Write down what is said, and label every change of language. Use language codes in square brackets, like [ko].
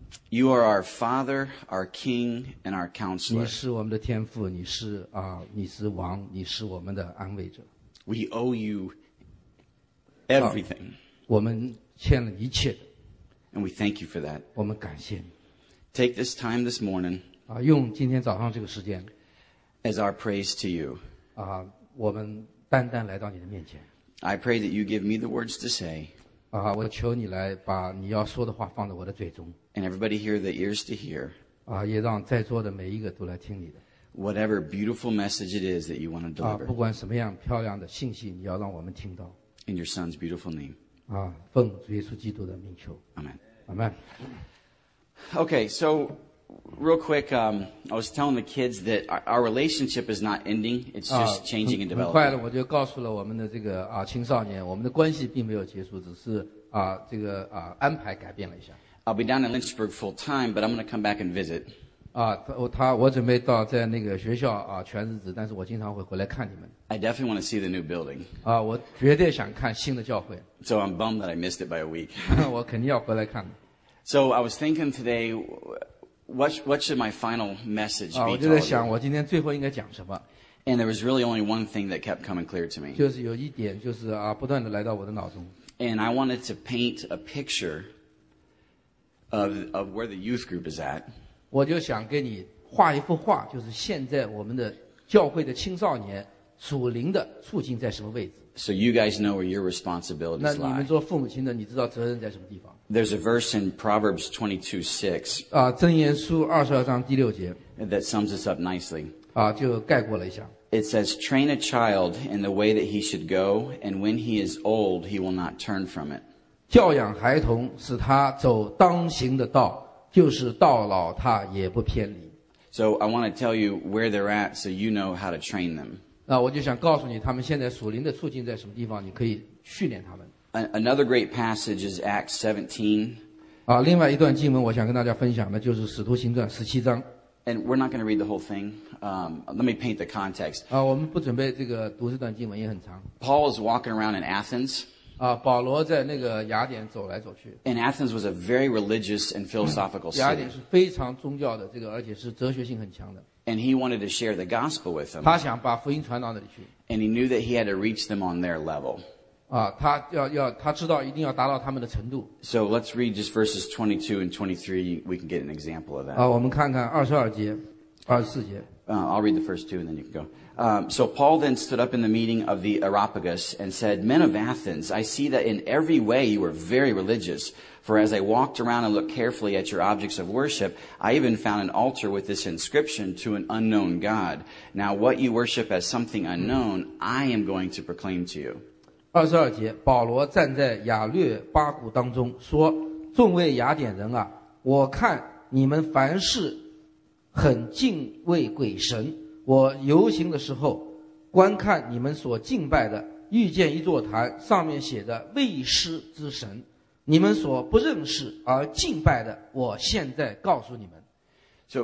[en] You are our Father, our King, and our Counselor. [zh] 你是我们的天父，你是啊，你是王，你是我们的安慰者。 [en] We owe you everything. [zh] 我们欠了一切的。 [en] And we thank you for that. [zh] 我们感谢你。 [en] Take this time this morning, [zh] 用今天早上这个时间 [en] as our praise to you. [zh] 我们单单来到你的面前。 [en] I pray that you give me the words to say. [zh] 我求你来把你要说的话放在我的嘴中。 [en] And everybody here that ears to hear. [zh] 也让在座的每一个都来听你的。 [en] Whatever beautiful message it is that you want to deliver. [zh] 不管什么样漂亮的信息，你要让我们听到。 [en] In your son's beautiful name. [zh] 奉主耶稣基督的名求。 [en] Amen. Amen. Okay, so real quick, I was telling the kids that our relationship is not ending, it's just changing and developing. [zh] 很快的我就告诉了我们的这个青少年，我们的关系并没有结束，只是这个安排改变了一下。 [en] I'll be down in Lynchburg full time, but I'm going to come back and visit. [zh] 我准备到在那个学校全日子，但是我经常会回来看你们。 [en] I definitely want to see the new building. [zh] 我绝对想看新的教会。 [en] So I'm bummed that I missed it by a week. [zh] 我肯定要回来看。 [en] So I was thinking today, what should my final message be? [zh] 我就在想，我今天最后应该讲什么。 [en] And there was really only one thing that kept coming clear to me. [zh] 就是有一点，就是不断的来到我的脑中。 [en] And I wanted to paint a picture of where the youth group is at. [zh] 我就想给你画一幅画，就是现在我们的教会的青少年属灵的处境在什么位置。 [en] So you guys know where your responsibilities lie. [zh] 那你们做父母亲的，你知道责任在什么地方？ [en] There's a verse in Proverbs 22:6. [zh] 箴言书二十二章第六节。 [en] That sums this up nicely. [zh] 就概括了一下。 [en] It says, "Train a child in the way that he should go, and when he is old, he will not turn from it." [zh] 教养孩童，使他走当行的道，就是到老他也不偏离。 [en] So I want to tell you where they're at, so you know how to train them. [zh] 我就想告诉你，他们现在属灵的处境在什么地方，你可以训练他们。 [en] Another great passage is Acts 17. [zh] 另外一段经文我想跟大家分享的就是《使徒行传》十七章。 [en] And we're not going to read the whole thing. Let me paint the context. [zh] 我们不准备这个读这段经文，也很长。 [en] Paul is walking around in Athens. [zh] 保罗在那个雅典走来走去。 [en] And Athens was a very religious and philosophical city. [zh] 雅典是非常宗教的，这个而且是哲学性很强的。 [en] And he wanted to share the gospel with them. [zh] 他想把福音传到那里去。 [en] And he knew that he had to reach them on their level. [zh] 他知道一定要达到他们的程度。 [en] So let's read just verses 22 and 23. We can get an example of that. [zh] 我们看看 22节、24节。 [en] I'll read the first two and then you can go. So Paul then stood up in the meeting of the Areopagus and said, Men of Athens, I see that in every way you are very religious. For as I walked around and looked carefully at your objects of worship, I even found an altar with this inscription to an unknown God. Now what you worship as something unknown, I am going to proclaim to you. [zh] 22节, 保罗站在亚略巴谷当中说, 众位雅典人啊, 我看你们凡事, 很敬畏鬼神，我游行的时候，观看你们所敬拜的，遇见一座坛，上面写着未施之神，你们所不认识而敬拜的，我现在告诉你们。So